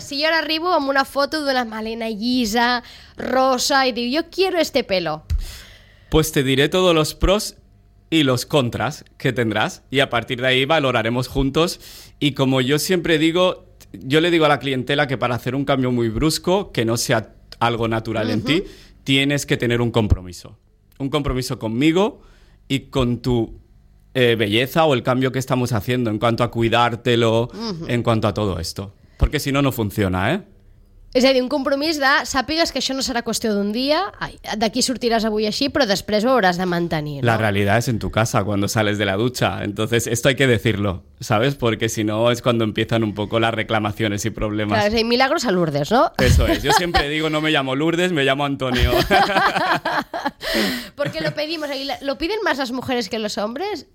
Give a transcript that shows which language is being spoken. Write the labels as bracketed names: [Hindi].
[Catalan] Si jo ara arribo amb una foto d'una melena llisa, rosa, i diu, jo [Spanish] quiero este pelo. Pues te diré todos los pros y los contras que tendrás, y a partir de ahí valoraremos juntos. Y como yo siempre digo, yo le digo a la clientela que para hacer un cambio muy brusco, que no sea algo natural en ti, tienes que tener un compromiso. Un compromiso conmigo y con tu belleza o el cambio que estamos haciendo en cuanto a cuidártelo, en cuanto a todo esto. Porque si no, no funciona, ¿eh? [Catalan] És a dir, un compromís de sàpigues que això no serà qüestió d'un dia, d'aquí sortiràs avui així, però després ho hauràs de mantenir, ¿no? [Spanish] La realidad es en tu casa, cuando sales de la ducha. Entonces, esto hay que decirlo, ¿sabes? Porque si no, es cuando empiezan un poco las reclamaciones y problemas. Claro, hay milagros a Lourdes, ¿no? Eso es. Yo siempre digo, no me llamo Lourdes, me llamo Antonio. Porque lo pedimos, ¿lo piden más las mujeres que los hombres?